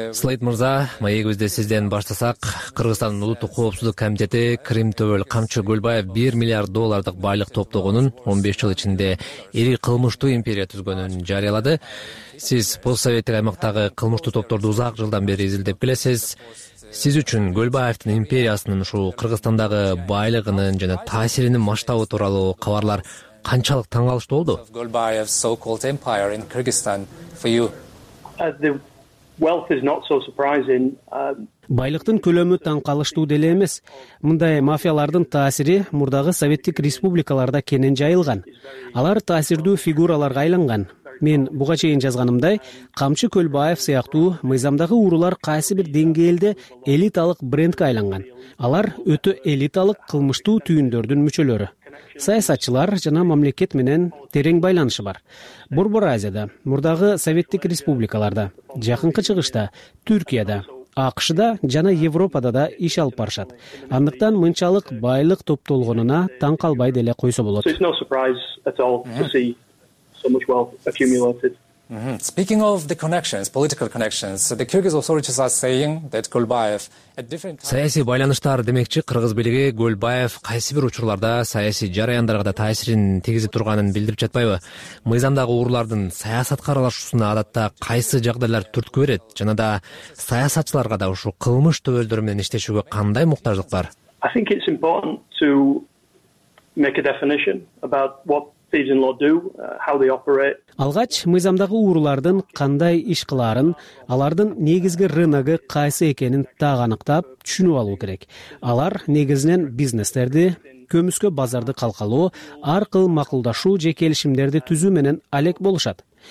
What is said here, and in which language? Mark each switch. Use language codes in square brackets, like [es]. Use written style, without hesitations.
[ky] Слейт мырза, маегибизде сизден баштасак, Кыргызстандын улуттук коопсуздук комитети Кримтөбөл Камчы Көлбаев 1 миллиард доллардык байлык топтогонун 15 жыл ичинде ири кылмыштуу империя түзгөнүн жарыялады. Сиз постсоветтик аймактагы кылмыштуу топторду узак жылдан бери изилдеп келесиз. Сиз үчүн Көлбаевдин империясынын ушул Кыргызстандагы байлыгынын жана таасиринин масштабы тууралуу кабарлар канчалык таң калыштуу болду? [en] Golbayev's so-called empire in Kyrgyzstan for you. The wealth is not so surprising. [ky] Байлыктын көлөмү таң калыштуу деле эмес. Мындай мафиялардын таасири мурдагы советтик республикаларда кенен жайылган. Алар таасирдүү фигураларга айланган. Мен буга чейин жазганымдай, Камчы Көлбаев сыяктуу мыйзамдагы уурулар кайсы бир деңгээлде элиталык брендке айланган. Алар өтө элиталык кылмыштуу түйүндөрдүн мүчөлөрү. Саясатчылар жана мамлекет менен терең байланышы бар. Борбор Азияда, мурдагы советтик республикаларда, жакынкы чыгышта, Түркияда, АКШда жана Европада да иш алып барышат. Андыктан мынчалык байлык топтолгонуна таң калбай деле койсо болот. [en] So much wealth accumulated. Speaking of the connections, political connections, the Kyrgyz authorities are saying that Gulbayev at different times. [ky] Саясий байланыштар демекчи, кыргыз бийлиги Гөлбаев кайсы бир учурларда саясий жараяндарга да таасирин тийгизип турганын билдирип жатпайбы? Мыйзамдагы уурлардын саясатка аралашуусуна адатта кайсы жагдайлар түрткү берет жана да саясатчыларга да ушул кылмыш төбөлдөрү менен иштешүүгө кандай муктаждык бар? [en] I think it's important to make a definition about what these in law do, how they operate. [ky] Алгач мыйзамдагы уурулардын кандай иш кылаарын, алардын негизги рыногу кайсы экенин так аныктап түшүнүп алуу керек. Алар негизинен бизнестерди, көмүскө базарды калкалоо, ар кыл макулдашуу же келишимдерди түзүү менен алек болушат.